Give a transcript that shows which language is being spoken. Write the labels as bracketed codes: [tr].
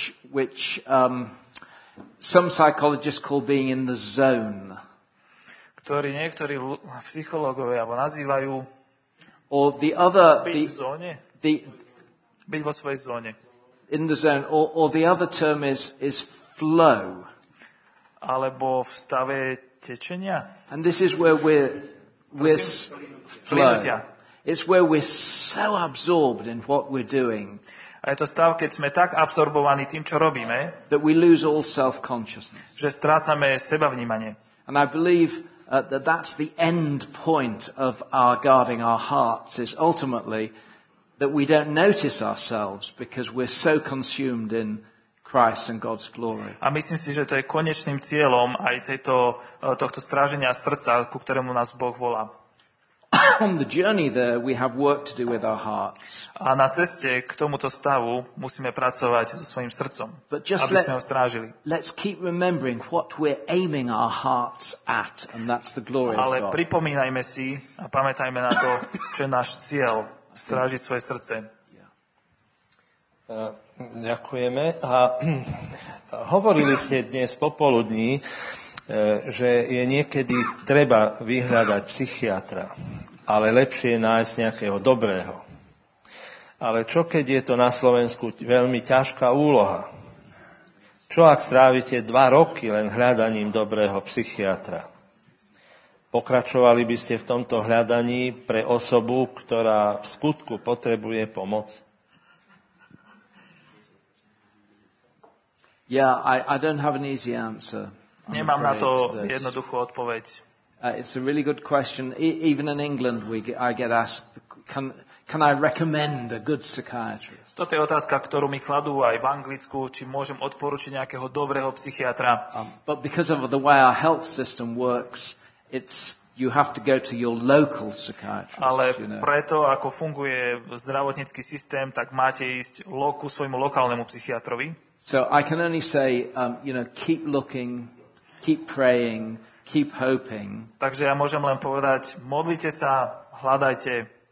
[en] which some psychologists call being in the zone. [sk] Ktorý niektorí psychológovia nazývajú [en] or the other [sk] byť vo svojej zóne. [en] In the zone or the other term is flow. [sk] Alebo v stave tečenia. [en] And this is where we're flow. It's where we're so absorbed in what we're doing. [sk] A je to stav, keď sme tak absorbovaní tým, čo robíme, [en] that we lose all self-consciousness. [sk] Že strácame sebavnímanie. [en] And I believe that's the end point of our guarding our hearts is ultimately that we don't notice ourselves because we're so consumed in Christ and God's glory. [sk] A myslím si, že to je konečným cieľom aj tohto stráženia srdca, ku ktorému nás Boh volá. [en] On the journey there we have work to do with our hearts. [sk] A na ceste k tomuto stavu musíme pracovať so svojím srdcom, aby sme ho strážili. [en] Let's keep remembering what we're aiming our hearts at and that's the glory of God. [sk] Ale pripomínajme si a pamätajme na to, čo je náš cieľ, strážiť svoje srdce. Ďakujeme. A hovorili ste dnes popoludní, že je niekedy treba vyhľadať psychiatra, ale lepšie je nájsť nejakého dobrého. Ale čo keď je to na Slovensku veľmi ťažká úloha? Čo ak strávite 2 roky len hľadaním dobrého psychiatra? Pokračovali by ste v tomto hľadaní pre osobu, ktorá v skutku potrebuje pomoc? [en] Yeah, I don't have an easy answer. [sk] Nemám na to jednoduchú odpoveď. [en] It's a really good question. Even in England I get asked can I recommend a good psychiatrist? [sk] Toto je otázka, ktorú mi kladú aj v Anglicku, či môžem odporučiť nejakého dobrého psychiatra. [en] But because of the way our health system works, it's you have to go to your local psychiatrist. [sk] Ale preto ako funguje zdravotnícky systém, tak máte ísť ku svojmu lokálnemu psychiatrovi. [en] So I can only say keep looking, keep praying, keep hoping. [sk] Takže ja môžem len povedať, modlite sa, hľadajte.